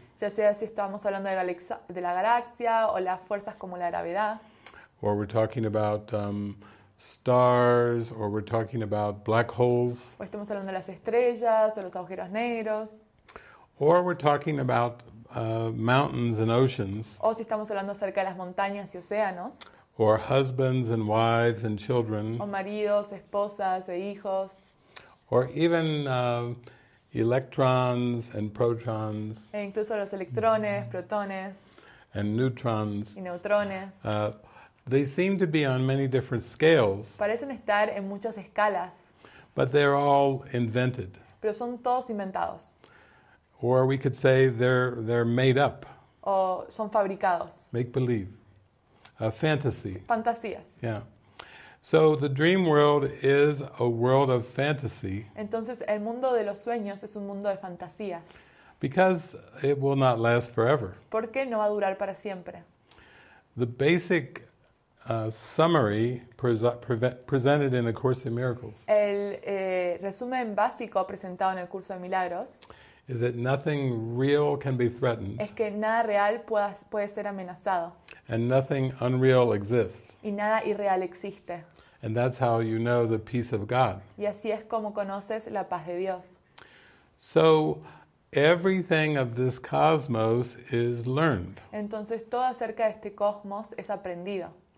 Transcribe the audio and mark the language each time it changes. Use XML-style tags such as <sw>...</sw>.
<es>Ya sea si estamos hablando de la galaxia o las fuerzas como la gravedad.</es> <en>Or we're talking about stars, or we're talking about black holes.</en> <es>O estamos hablando de las estrellas o los agujeros negros.</es> <en>Or we're talking about mountains and oceans.</en> <es>O si estamos hablando acerca de las montañas y océanos.</es> <en>Or husbands and wives and children.</en> <es>O maridos, esposas e hijos.</es> <en>Or even electrons and protons.</en> <es>E incluso los electrones, protones.</es> <en>And neutrons.</en> <es>Y neutrones.</es> <en>They seem to be on many different scales.</en> <es>Parecen estar en muchas escalas.</es> <en>But they're all invented.</en> <es>Pero son todos inventados.</es> <en>Or we could say they're made up.</en> <es>O son fabricados.</es> <en>Make believe. A fantasy.</en> <es>Fantasías.</es> <en>Yeah. So the dream world is a world of fantasy.</en> <es>Entonces el mundo de los sueños es un mundo de fantasías.</es> <en>Because it will not last forever.</en> <es>Porque no va a durar para siempre.</es> <en>The basic summary presented in A Course in Miracles.</en> <es>El resumen básico presentado en el curso de milagros.</es> <en>Is that nothing real can be threatened.</en> <es>Es que nada real puede ser amenazado.</es> <en>And nothing unreal exists.</en> <es>Y nada irreal existe.</es> <en>And that's how you know the peace of God.</en> <es>Y así es como conoces la paz de Dios.</es> <en>So everything of this cosmos is learned.</en> <es>Entonces todo acerca de este cosmos es aprendido.</es>